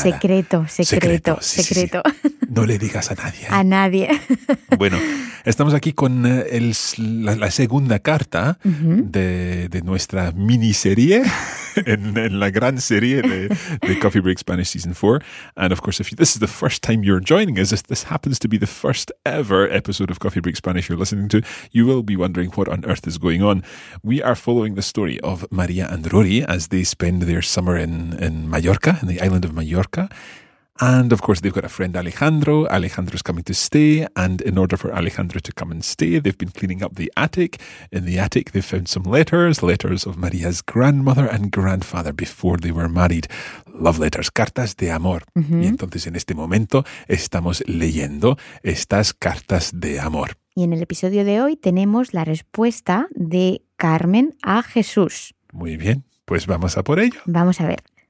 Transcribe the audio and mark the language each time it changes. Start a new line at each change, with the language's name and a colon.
Spanish: nada. Secreto. Sí. No le digas a nadie. A nadie. Bueno, estamos aquí con la segunda carta de nuestra miniserie, en la gran serie de Coffee Break Spanish Season 4.
English: And of course, if this is the first time you're joining us, if this happens to be the first ever episode of Coffee Break Spanish you're listening to, you will be wondering what on earth is going on. We are following the story of María and Rory as they spend their summer in Mallorca, in the island of Mallorca. And of course, they've got a friend, Alejandro. Alejandro's coming to stay. And in order for Alejandro to come and stay, they've been cleaning up the attic. In the attic, they found some letters of María's grandmother and grandfather before they were married. Love letters,
Spanish: cartas de amor. Mm-hmm. Y entonces, en este momento, estamos leyendo estas cartas de amor. Y en el episodio de hoy tenemos la respuesta de Carmen a Jesús. Muy bien, pues vamos a por ello. Vamos a ver.